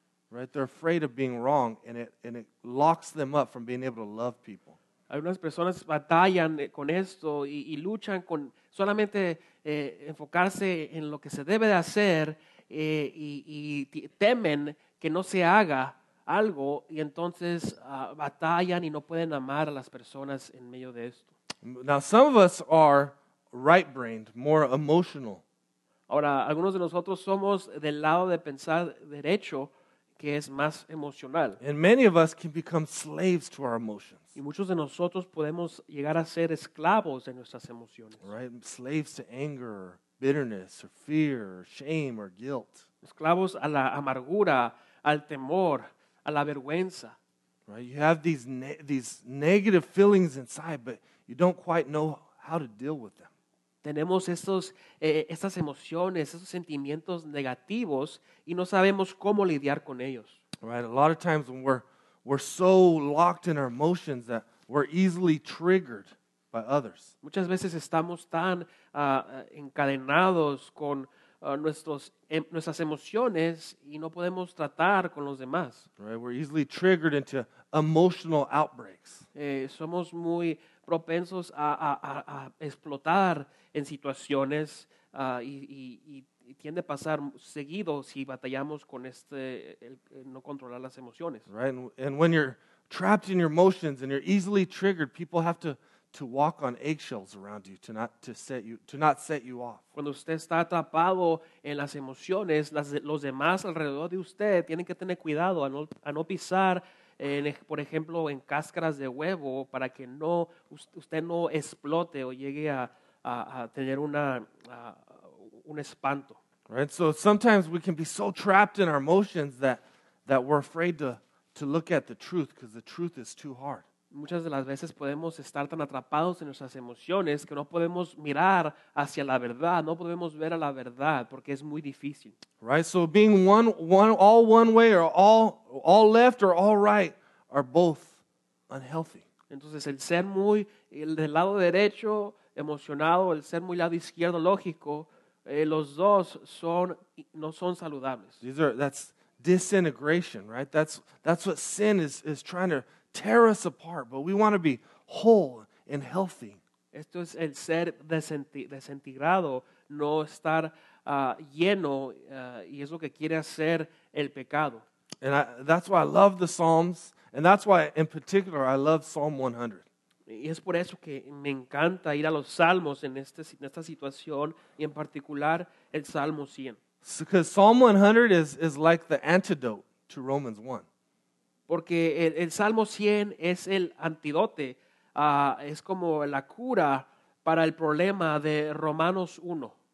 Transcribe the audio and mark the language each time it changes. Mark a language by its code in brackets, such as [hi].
[en] Right, they're afraid of being wrong, and it locks them up from being able to love people. [es] Algunas personas batallan con esto y luchan con solamente enfocarse en lo que se debe de hacer y temen que no se haga algo y entonces batallan y no pueden amar a las personas en medio de esto. [en] Now, some of us are right-brained, more emotional. [es] Ahora, algunos de nosotros somos del lado de pensar derecho, que es más emocional. [en] And many of us can become slaves to our emotions. [es] Y muchos de nosotros podemos llegar a ser esclavos de nuestras emociones. [en] Right, slaves to anger, or bitterness, or fear, or shame, or guilt. [es] Esclavos a la amargura, al temor, a la vergüenza. [en] Right, you have these negative feelings inside, but you don't quite know how to deal with them. [es] Tenemos estas emociones, esos sentimientos negativos y no sabemos cómo lidiar con ellos. [en] Right, a lot of times when we're so locked in our emotions that we're easily triggered by others. [es] Muchas veces estamos tan encadenados con nuestras emociones y no podemos tratar con los demás. [en] Right, we're easily triggered into emotional outbreaks. [es] Somos muy propensos a explotar en situaciones y tiende a pasar seguido si batallamos con el no controlar las emociones. [en] Right, and when you're trapped in your emotions and you're easily triggered, people have to walk on eggshells around you to not set you off. [es] Cuando usted está atrapado en las emociones, los demás alrededor de usted tienen que tener cuidado a no pisar por ejemplo, en cáscaras de huevo para que no usted no explote o llegue a tener un espanto. [en] Right, so sometimes we can be so trapped in our emotions that we're afraid to look at the truth because the truth is too hard. [es] Muchas de las veces podemos estar tan atrapados en nuestras emociones que no podemos mirar hacia la verdad, no podemos ver a la verdad porque es muy difícil. [en] Right, so being one way or all left or all right are both unhealthy. [es] Entonces el ser muy del lado derecho emocionado, el ser muy lado izquierdo lógico, los dos no son saludables. [en] That's disintegration, right? That's what sin is trying to tear us apart, but we want to be whole and healthy. [es] Esto es el ser desintegrado, no estar lleno, y es lo que quiere hacer el pecado. [en] And that's why I love the Psalms, and that's why in particular I love Psalm 100. [es] Y es por eso que me encanta ir a los Salmos en esta situación, y en particular el Salmo 100. [en] Because Psalm 100 is like the antidote to Romans 1. [es] Porque el Salmo 100 es el antídoto, es como la cura para el problema de Romanos 1.